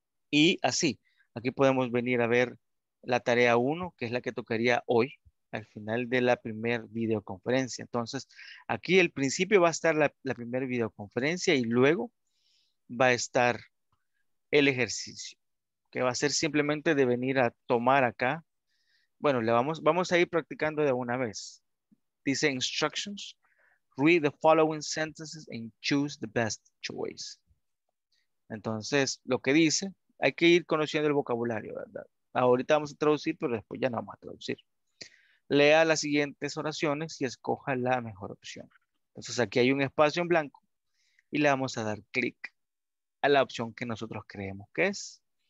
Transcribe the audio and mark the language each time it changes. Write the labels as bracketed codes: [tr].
[es] Y así, aquí podemos venir a ver la tarea 1, que es la que tocaría hoy al final de la primer videoconferencia. Entonces, aquí al principio va a estar la primera videoconferencia y luego va a estar el ejercicio, que va a ser simplemente de venir a tomar acá. Bueno, vamos a ir practicando de una vez. Dice [en] instructions, read the following sentences and choose the best choice. [es] Entonces, lo que dice, hay que ir conociendo el vocabulario, ¿verdad? Ahorita vamos a traducir, pero después ya no vamos a traducir. Lea las siguientes oraciones y escoja la mejor opción. Entonces aquí hay un espacio en blanco y le vamos a dar clic a la opción que nosotros creemos que es.